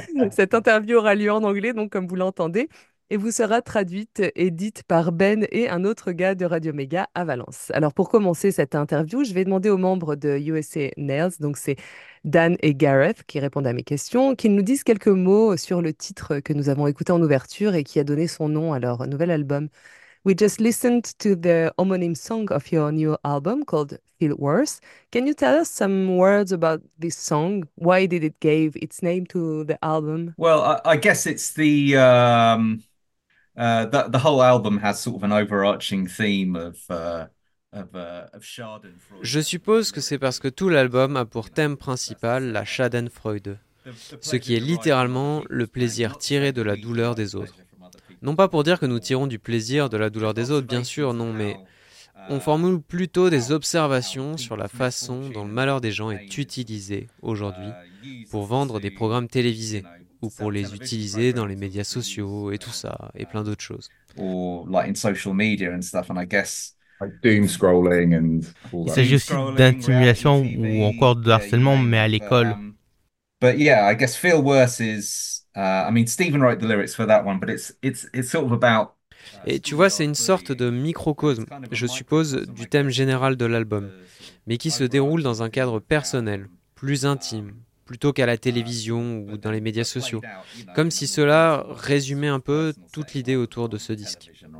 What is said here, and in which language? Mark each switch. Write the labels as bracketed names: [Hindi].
[French] Cette interview aura lieu en anglais, donc comme vous l'entendez, et vous sera traduite et dite par Ben et un autre gars de Radio Méga à Valence. Alors pour commencer cette interview, je vais demander aux membres de USA Nails, donc c'est Dan et Gareth qui répondent à mes questions, qu'ils nous disent quelques mots sur le titre que nous avons écouté en ouverture et qui a donné son nom à leur nouvel album. [English] We just listened to the homonym song of your new album called Feel Worse. Can you tell us some words about this song? Why did it give its name to the album? Well, I guess it's the whole album has sort of an overarching theme of Schadenfreude. [French] Je suppose que c'est parce que tout l'album a pour thème principal la Schadenfreude, ce qui est littéralement le plaisir tiré de la douleur des autres. Non pas pour dire que nous tirons du plaisir de la douleur des autres, bien sûr, non, mais On formule plutôt des observations sur la façon dont le malheur des gens est utilisé aujourd'hui pour vendre des programmes télévisés ou pour les utiliser dans les médias sociaux et tout ça et plein d'autres choses. Il s'agit aussi d'intimidation ou encore de harcèlement, mais à l'école. [English] But yeah, I guess Feel Worse is. I mean, Stephen wrote the lyrics for that one, but it's sort of about. [French] Et tu vois, c'est une sorte de microcosme, je suppose, du thème général de l'album, mais qui se déroule dans un cadre personnel, plus intime, plutôt qu'à la télévision ou dans les médias sociaux, comme si cela résumait un peu toute l'idée autour de ce disque.